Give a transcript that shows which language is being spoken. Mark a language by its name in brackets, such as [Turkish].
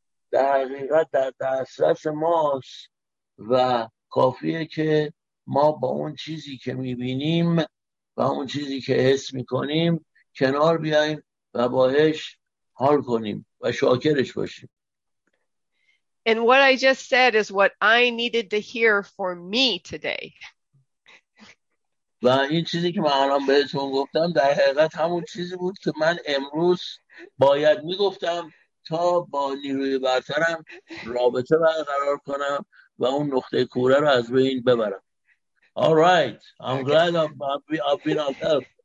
[Persian] در حقیقت در دسترس ماست و کافیه که ما با اون چیزی که میبینیم و اون چیزی که حس میکنیم کنار بیاییم و باهش حال کنیم و شاکرش باشیم. [English] And what I just said is what I needed to hear for me today. [Persian] و این چیزی که من الان بهتون گفتم در حقیقت همون چیزی بود که من امروز باید میگفتم تا با نیروی برترم رابطه برقرار کنم و اون نقطه کوره رو از بین ببرم. [English] Alright, I'm glad I've been of help.